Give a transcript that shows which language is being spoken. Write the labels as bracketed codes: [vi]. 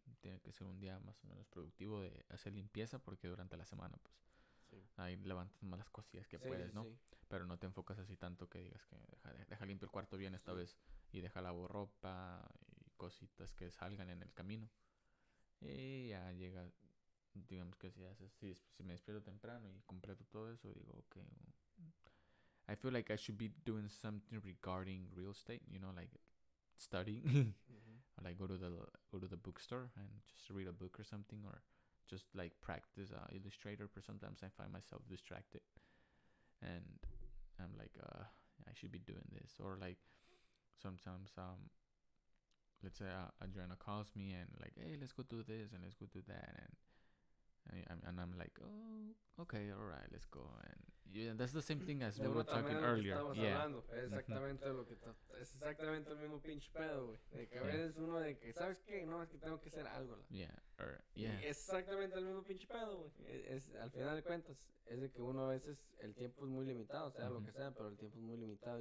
[es] Tiene que ser un día más o menos productivo de hacer limpieza porque durante la semana pues ahí levantas más las cosillas que puedes, ¿no? Sí. Pero no te enfocas así tanto que digas que deja limpio el cuarto bien esta vez y deja la ropa y cositas que salgan en el camino. Y ya llega... Digamos que si me despierto temprano y completo todo eso, digo, okay. [en] I feel like I should be doing something regarding real estate, you know, like studying. Mm-hmm. Or like go to the bookstore and just read a book or something, or just like practice Illustrator, but sometimes I find myself distracted. And I'm like, I should be doing this. Or like sometimes, let's say a journal calls me and like, hey, let's go do this and let's go do that. And I'm like, oh, okay, all right, let's go. And that's the same thing as we were talking earlier. Yeah. [es] Hablando. Exactamente lo que es exactamente el mismo pinche pedo, güey. De que a veces uno de que, ¿sabes qué? No, es que tengo que hacer algo. La. [en] Yeah. Or, yeah. [es] Y es exactamente el mismo pinche pedo, güey. Al final de cuentas, es de que uno a veces el tiempo es muy limitado, sea lo que sea, pero el tiempo es muy limitado.